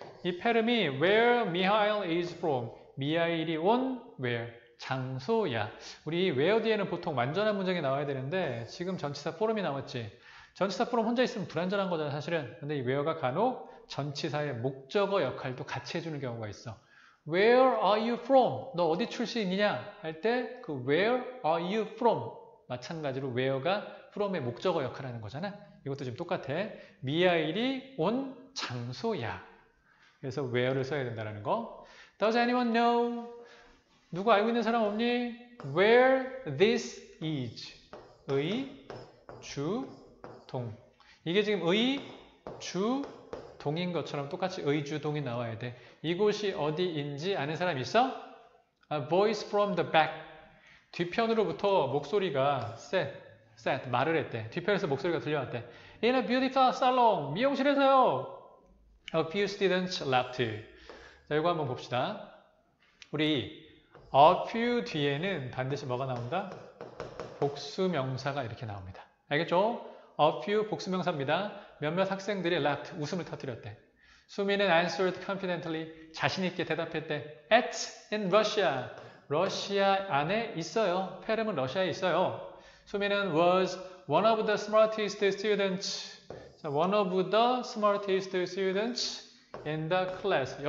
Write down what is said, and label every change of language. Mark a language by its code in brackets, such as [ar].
[ko] 이 페름이 [en] where Mihail is from. [ko] 미하일이 온 where. 장소야. 우리 where 뒤에는 보통 완전한 문장이 나와야 되는데, 지금 전치사 form이 나왔지. 전치사 form 혼자 있으면 불완전한 거잖아, 사실은. 근데 이 where가 간혹 전치사의 목적어 역할도 같이 해주는 경우가 있어. [en] Where are you from? [ko] 너 어디 출신이냐? 할 때, 그 [en] where are you from? [ko] 마찬가지로 where가 from의 목적어 역할하는 거잖아. 이것도 지금 똑같아. 미하일이 온 장소야. 그래서 where를 써야 된다는 거. [en] Does anyone know? [ko] 누구 알고 있는 사람 없니? [en] Where this is의 주동. [ko] 이게 지금 의주 동인 것처럼 똑같이 의주동이 나와야 돼. 이곳이 어디인지 아는 사람 있어? [en] A voice from the back. [ko] 뒤편으로부터 목소리가 set 말을 했대. 뒤편에서 목소리가 들려왔대. [en] In a beautiful salon. [ko] 미용실에서요. [en] A few students left. [ko] 자, 이거 한번 봅시다. 우리 a few 뒤에는 반드시 뭐가 나온다? 복수명사가 이렇게 나옵니다. 알겠죠? A few 복수명사입니다. 몇몇 학생들이 left 웃음을 터뜨렸대. 수민은 [en] answered confidently [ko] 자신 있게 대답했대. [en] It's in Russia. [ko] 러시아 안에 있어요. 페름은 러시아에 있어요. 수민은 [en] was one of the smartest students. One of the smartest students in the class.